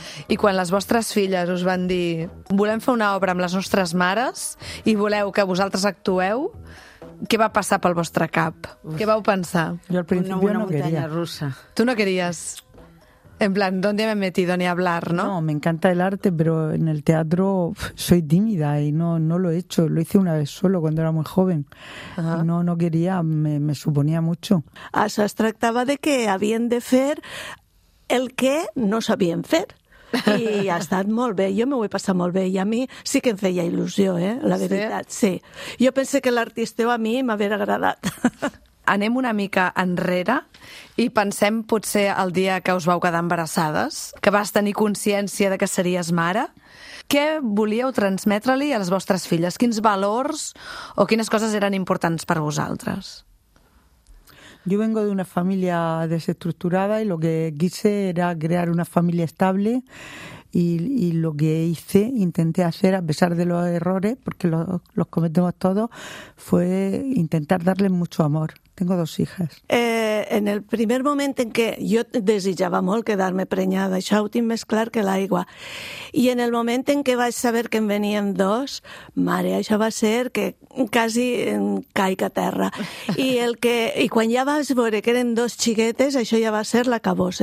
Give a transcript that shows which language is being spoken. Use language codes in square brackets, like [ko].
[ca] I quan les vostres filles us van dir volem fer una obra amb les nostres mares i voleu que vosaltres actueu, què va passar pel vostre cap? Uf. Què vau pensar? Jo al principi una [es] no quería. Russa. Tu no querías. En plan, ¿dónde me he metido ni hablar, no? No, me encanta el arte, pero en el teatro soy tímida y no lo he hecho. Lo hice una vez solo cuando era muy joven. Ajá. No quería, me suponía mucho. [ca] Això es tractava de que havien de fer el que no sabien fer. I ha estat molt bé, jo m'ho he passat molt bé i a mi sí que em feia il·lusió, eh? La veritat, sí. Jo pensé que l'artisteu a mi m'hauria agradat. Anem una mica enrere i pensem potser el dia que us vau quedar embarassades, que vas tenir consciència de que series mare. Què volíeu transmetre-li a les vostres filles? Quins valors o quines coses eren importants per vosaltres? [es] Yo vengo de una familia desestructurada y lo que quise era crear una familia estable y lo que hice, intenté hacer, a pesar de los errores, porque los cometemos todos, fue intentar darle mucho amor. Tengo dos hijas. [ca] En el primer moment en què jo desitjava molt quedar-me prenyada, això ho tinc més clar que l'aigua, i en el moment en què vaig saber que en venien dos, mare, això va ser que quasi caic a terra. I quan ja vaig veure que eren dos xiquetes, això ja va ser l'acabós.